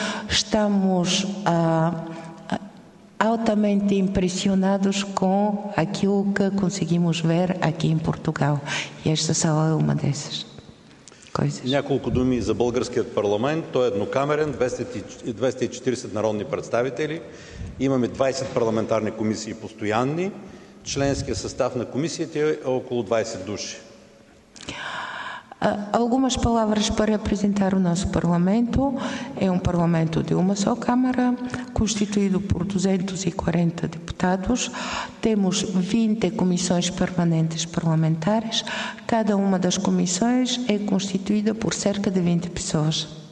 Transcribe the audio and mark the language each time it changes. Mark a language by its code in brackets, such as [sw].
[pt] Estamos altamente impressionados com aquilo que conseguimos ver aqui em Portugal. E esta sala é uma dessas coisas. [bg] Няколко думи за българският парламент. Той е еднокамерен, 240 народни представители. Имаме 20 парламентарни комисии постоянни. Членският състав на комисията е около 20 души. [pt] Algumas palavras para apresentar o nosso Parlamento. É um Parlamento de uma só Câmara, constituído por 240 deputados. Temos 20 comissões permanentes parlamentares. Cada uma das comissões é constituída por cerca de 20 pessoas.